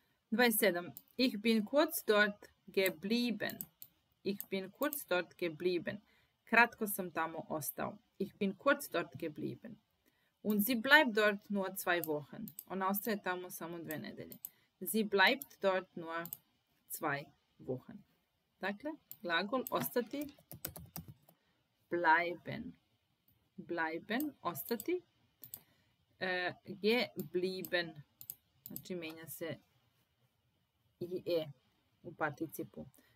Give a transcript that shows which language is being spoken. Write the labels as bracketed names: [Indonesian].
[German] 27. Ich bin kurz dort geblieben. Ich bin kurz dort geblieben. [Serbian] Kratko sam tamo ostao. [German] Ich bin kurz dort geblieben. Und sie bleibt dort nur zwei Wochen. [Serbian] Ona ostaje tamo samo dve nedelje. [German] Sie bleibt dort nur zwei Wochen. [Serbian] Dakle, glagol ostati. Bleiben. [German] Bleiben, ostati. Geblieben. [Serbian] Znači, menja se i e u participu.